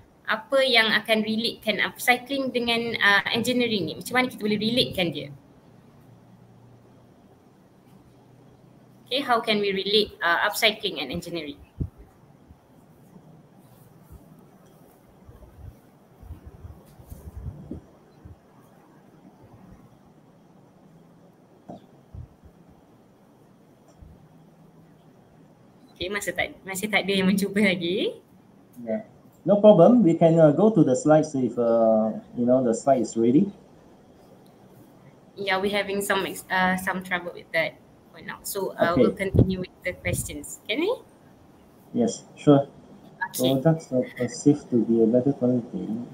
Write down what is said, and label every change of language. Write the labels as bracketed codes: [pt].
[ms] Apa yang akan relatekan upcycling dengan engineering ni? Macam mana kita boleh relatekan dia? [en] Okay, how can we relate upcycling and engineering? [ms] Okay, masih tak ada yang mencuba lagi. [en] Yeah. No problem. We can go to the slides if you know the slide is ready. Yeah, we're having some trouble with that. Now, we'll continue with the questions. Can we? Yes, sure. Okay. So that's perceived to be a better quality.